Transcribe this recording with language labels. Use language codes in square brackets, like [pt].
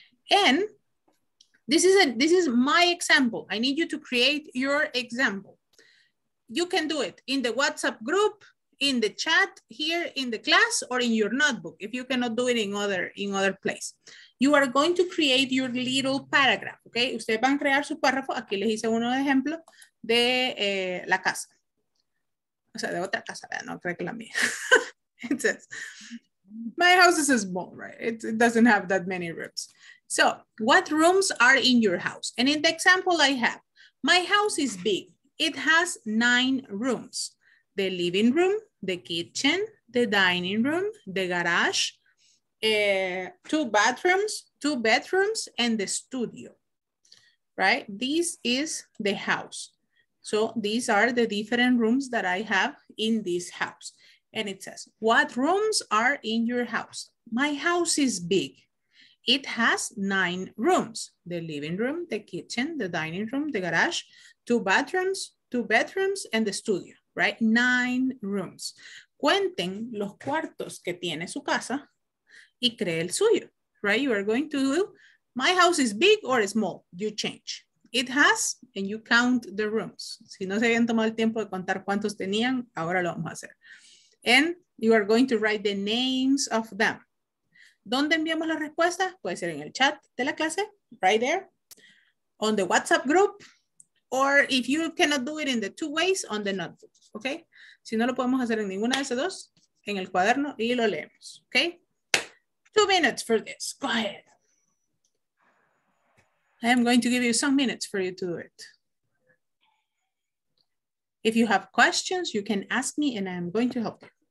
[en] And this is my example. I need you to create your example. You can do it in the WhatsApp group, in the chat here in the class, or in your notebook, if you cannot do it in other place. You are going to create your little paragraph, okay? [es] Ustedes van a crear su párrafo. Aquí les hice uno de ejemplo de la casa. O sea, de otra casa, ¿verdad? No creo que la mía. [en] It says, my house is small, right? It doesn't have that many rooms. So, what rooms are in your house? And in the example I have, my house is big. It has 9 rooms. The living room, the kitchen, the dining room, the garage, 2 bathrooms, 2 bedrooms, and the studio, right? This is the house. So these are the different rooms that I have in this house. And it says, what rooms are in your house? My house is big. It has 9 rooms, the living room, the kitchen, the dining room, the garage, 2 bathrooms, 2 bedrooms, and the studio. Right? 9 rooms. [es] cuenten los cuartos que tiene su casa y cree el suyo, right? [en] You are going to do, my house is big or small, you change. It has, and you count the rooms. [es] Si no se habían tomado el tiempo de contar cuántos tenían, ahora lo vamos a hacer. [en] And you are going to write the names of them. [es] ¿Dónde enviamos la respuesta? Puede ser en el chat de la clase, [en] right there, on the WhatsApp group, or if you cannot do it in the two ways, on the notebook, okay? [es] Si no lo podemos hacer en ninguna de esas dos, en el cuaderno y lo leemos, okay? [en] 2 minutes for this, go ahead. I am going to give you some minutes for you to do it. If you have questions, you can ask me and I'm going to help you.